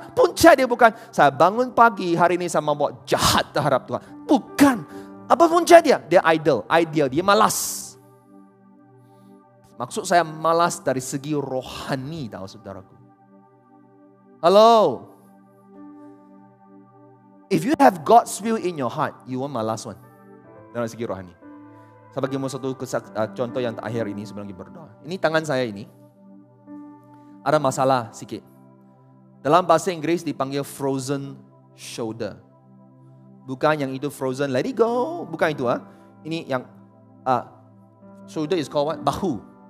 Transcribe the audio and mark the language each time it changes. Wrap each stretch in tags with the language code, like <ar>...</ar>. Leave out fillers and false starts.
<ms>Punca dia bukan saya bangun pagi hari ini sama buat jahat terhadap Tuhan. Bukan. Apa punca dia? Dia idol. Ideal. Dia malas. Maksud saya malas dari segi rohani, tahu saudaraku.</ms> <en>Hello. If you have God's will in your heart, you won't malas one.</en> <ms>Dari segi rohani. Saya bagimu satu contoh yang terakhir ini sebelum kita berdoa. Ini tangan saya ini. Ada masalah sikit. Dalam bahasa Inggris dipanggil frozen shoulder. Bukan yang itu</ms> <en>frozen let it go.</en> <ms>Bukan itu. Ini yang shoulder</ms> <en>is called what?</en> <ms>Bahu.</ms>